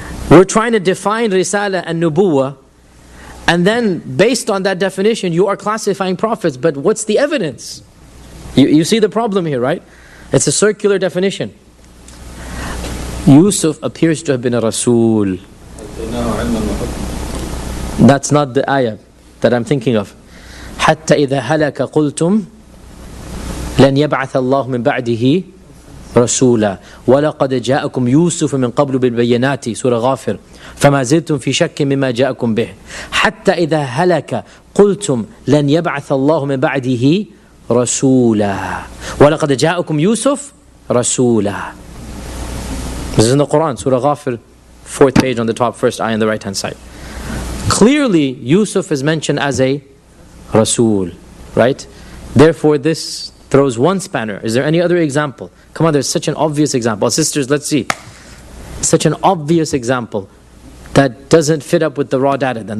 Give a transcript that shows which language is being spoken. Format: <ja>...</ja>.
<en>We're trying to define risala and nubuwa. And then, based on that definition, you are classifying prophets. But what's the evidence? You see the problem here, right? It's a circular definition. Yusuf appears to have been a Rasul. That's not the ayah that I'm thinking of.</en> <ar>حتى إذا هلك قلتم لن يبعث الله من بعده رسولا ولقد جاءكم يوسف من قبل بالبينات سورة غافر فما زلتم في شك مما جاءكم به حتى إذا هلك قلتم لن يبعث الله من بعده رسولا ولقد جاءكم يوسف رسولا.</ar> <en>This is in the Quran, Surah Ghafir, fourth page on the top, first eye on the right hand side. Clearly, Yusuf is mentioned as a Rasul, right? Therefore, this throws one spanner. Is there any other example? Come on, there's such an obvious example. Sisters, let's see. Such an obvious example that doesn't fit up with the raw data then.</en>